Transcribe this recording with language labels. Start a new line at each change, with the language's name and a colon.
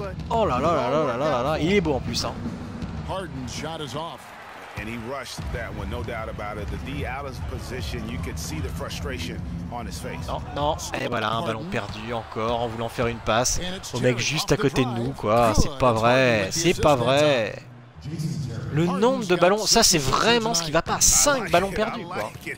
French: Oh là là là là là là là là, il est beau en plus, hein.
English: Harden shot is off. And he rushed that one, no doubt about it. The D out of position, you could see the frustration on his face.
French: Non, non, et voilà, un ballon perdu encore en voulant faire une passe au mec juste à côté de nous, quoi. C'est pas vrai, c'est pas vrai. Le nombre de ballons, ça c'est vraiment ce qui va pas. 5 ballons perdus, quoi.